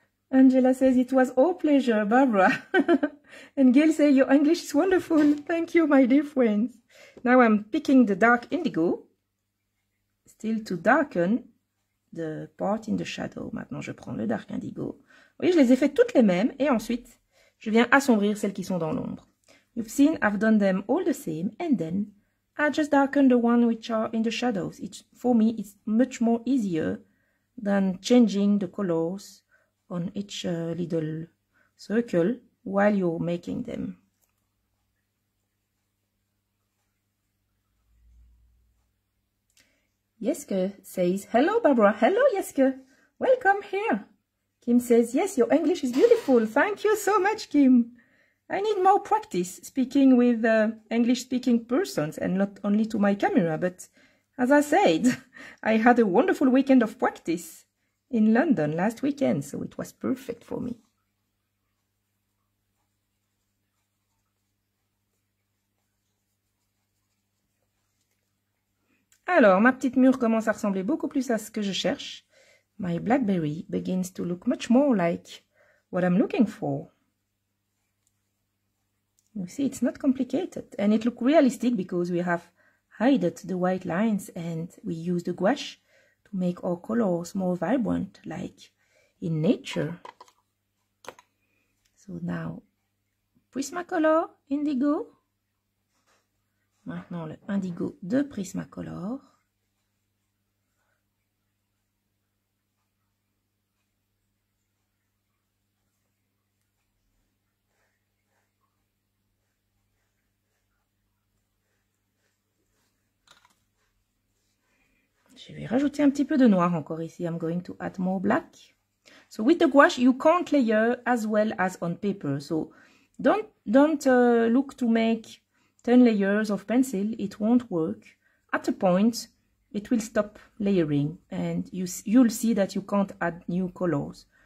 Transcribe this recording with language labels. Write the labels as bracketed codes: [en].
[en] Angela says, it was all pleasure, Barbara. And Gail says, your English is wonderful. Thank you, my dear friends. Now I'm picking the dark indigo, still to darken the part in the shadow. [fr] Maintenant, je prends le dark indigo. Oui, je les ai fait toutes les mêmes. Et ensuite, je viens assombrir celles qui sont dans l'ombre. [en] You've seen I've done them all the same, and then I just darken the one which are in the shadows. For me, it's much more easier than changing the colors on each little circle while you're making them. Yeske says, hello, Barbara. Hello, Yeske. Welcome here. Kim says, yes, your English is beautiful. Thank you so much, Kim. I need more practice speaking with English-speaking persons and not only to my camera, but as I said, I had a wonderful weekend of practice in London last weekend, so it was perfect for me. [fr] Alors, ma petite mûre commence à ressembler beaucoup plus à ce que je cherche. [en] My blackberry begins to look much more like what I'm looking for. You see, it's not complicated. And it looks realistic because we have hided the white lines and we use the gouache to make our colors more vibrant, like in nature. So now, Prismacolor Indigo. [fr] Maintenant, le indigo de Prismacolor. Je vais rajouter un petit peu de noir encore ici. [en] I'm going to add more black. So with the gouache, you can't layer as well as on paper. So don't look to make 10 layers of pencil. It won't work. At a point, it will stop layering. And you'll see that you can't add new colors.